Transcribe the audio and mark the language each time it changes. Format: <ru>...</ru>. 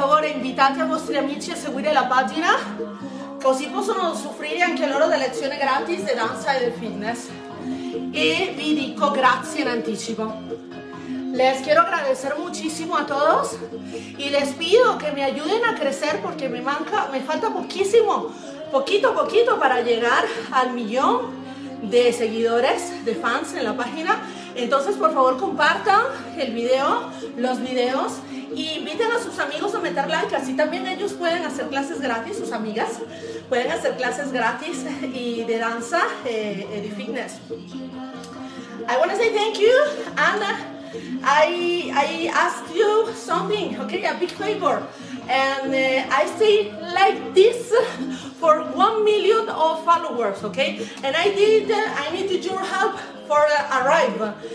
<it>Invitate a vostri amici a seguire la pagina, così possono soffrire anche loro delle lezioni gratis di danza e del fitness. E vi dico grazie in anticipo.</it> <es>Les quiero agradecer muchísimo a todos y les pido que me ayuden a crecer porque me falta poquísimo, poquito para llegar al millón de seguidores, de fans en la página. Entonces, por favor, compartan el video, los videos. Y inviten a sus amigos a meter like, así también ellos pueden hacer clases gratis, sus amigas pueden hacer clases gratis y de danza y de fitness.</es> <en>I want to say thank you, Anna. I ask you something, okay, a big favor. And I stay like this for 1 million of followers, okay? And I needed your help for arrive.</en>